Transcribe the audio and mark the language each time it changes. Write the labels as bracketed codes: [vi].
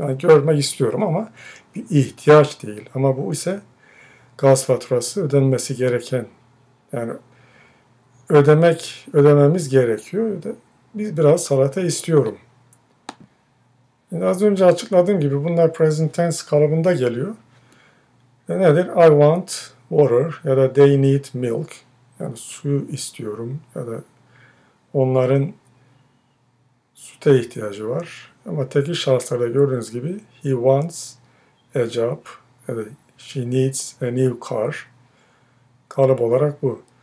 [tr] Yani görmek istiyorum ama bir ihtiyaç değil. Ama bu ise gaz faturası ödenmesi gereken. Yani ödememiz gerekiyor. Biz biraz salata istiyorum. Şimdi az önce açıkladığım gibi bunlar present tense kalıbında geliyor. Ve nedir? [en] I want water [tr] ya da [en] they need milk. [tr] Yani suyu istiyorum ya da onların süte ihtiyacı var. Ama tekil şahıslarda gördüğünüz gibi [en] he wants a job [tr] ya da [en] she needs a new car. [tr] Kalıp olarak bu.